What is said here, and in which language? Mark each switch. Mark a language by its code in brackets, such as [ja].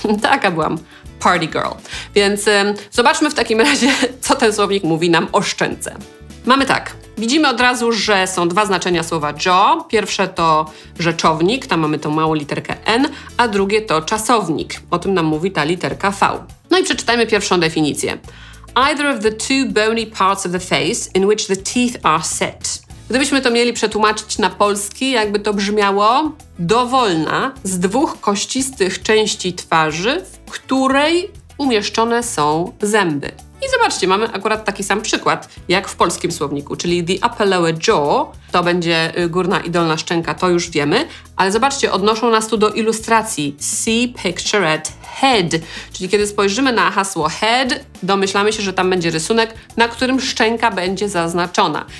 [pl] Taka byłam [en] party girl. [pl] Więc zobaczmy w takim razie, co ten słownik mówi nam o szczęce. Mamy tak. Widzimy od razu, że są dwa znaczenia słowa jaw. Pierwsze to rzeczownik, tam mamy tą małą literkę N, a drugie to czasownik. O tym nam mówi ta literka V. No i przeczytajmy pierwszą definicję. [en] Either of the two bony parts of the face in which the teeth are set. [pl] Gdybyśmy to mieli przetłumaczyć na polski, jakby to brzmiało? Dowolna z dwóch kościstych części twarzy, w której umieszczone są zęby. I zobaczcie, mamy akurat taki sam przykład, jak w polskim słowniku, czyli [en] the upper lower jaw, [pl] to będzie górna i dolna szczęka, to już wiemy, ale zobaczcie, odnoszą nas tu do ilustracji, [en] see picture at head, [pl] czyli kiedy spojrzymy na hasło head, domyślamy się, że tam będzie rysunek, na którym szczęka będzie zaznaczona.